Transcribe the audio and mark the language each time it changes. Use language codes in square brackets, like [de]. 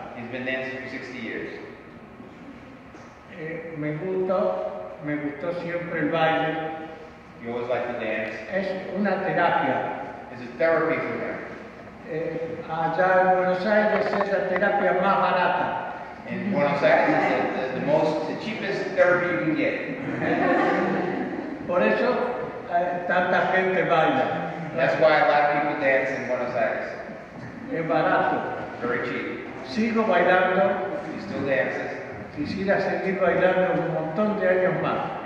[en] He's been dancing for 60 years. [es] Me gustó siempre el baile. [en] You always like to dance. [es] Es una terapia. [en] It's a therapy for them. [es] Allá en Buenos Aires es la terapia más barata. [en] In Buenos Aires it's the cheapest therapy you can get. [es] Por eso tanta gente baila. [en] That's why a lot of people dance in Buenos Aires. [es] Es barato. [en] Very cheap. [es] Sigo bailando. [en] He still dances. [es] Quisiera seguir bailando un montón de años más.